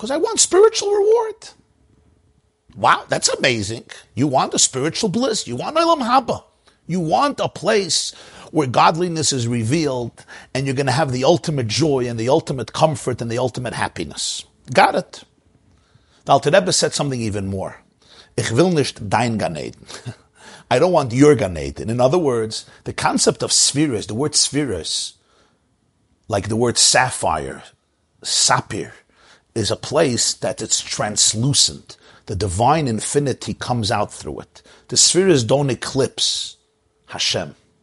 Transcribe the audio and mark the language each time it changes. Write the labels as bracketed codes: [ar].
[en] Because I want spiritual reward. Wow, that's amazing. You want a spiritual bliss. You want Olam Haba. You want a place where godliness is revealed and you're going to have the ultimate joy and the ultimate comfort and the ultimate happiness. Got it. The Alter Rebbe said something even more. [yi] Ich will nicht dein Gan Eden. [en] I don't want your Gan Eden. In other words, the concept of spheres, the word spheres, like the word sapphire, sapir, is a place that it's translucent. The divine infinity comes out through it. The spheres don't eclipse Hashem.